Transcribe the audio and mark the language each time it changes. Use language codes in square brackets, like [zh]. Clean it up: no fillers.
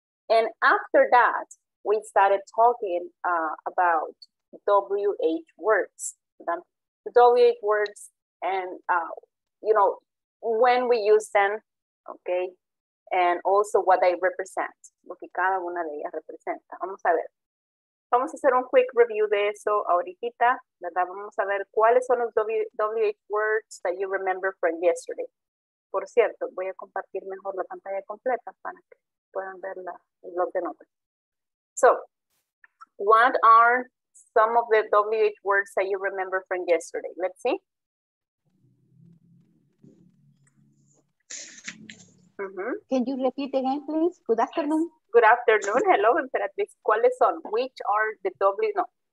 [en] And after that, we started talking about WH words, the WH words, and you know, when we use them, okay, and also what they represent, [es] lo que cada una de ellas representa. Vamos a ver. Vamos a hacer un [en] quick review [es] de eso ahorita, ¿verdad? Vamos a ver cuáles son los WH words [en] that you remember from yesterday. [es] Por cierto, voy a compartir mejor la pantalla completa para que puedan ver la, el blog de notas. [en] So, what are some of the WH words that you remember from yesterday? Let's see. Mm-hmm. Can you repeat again, please? Good afternoon. Yes. Good afternoon. Hello, Imperatriz. [es] ¿Cuáles son? [en] Which are the W? No.